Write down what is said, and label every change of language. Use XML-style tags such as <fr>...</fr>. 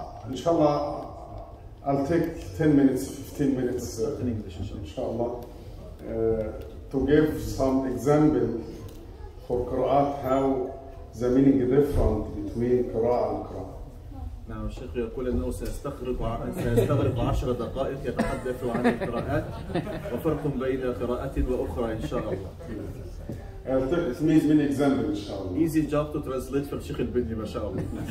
<ar>إن شاء الله</ar> <en>I'll take 10 minutes, 15 minutes in English.</en> <ar>إن شاء الله.</ar> <en>To give some example for Qur'at, how the meaning is different between Qur'at and Qur'at.</en> <ar>نعم الشيخ يقول أنه سيستغرق 10 دقائق يتحدث عن القراءات وفرق بين قراءة وأخرى إن شاء الله.</ar> <en>I'll take some example</en> <ar>إن شاء الله.</ar> <en>Easy job to translate for</en> <ar>الشيخ البني ما شاء الله.</ar>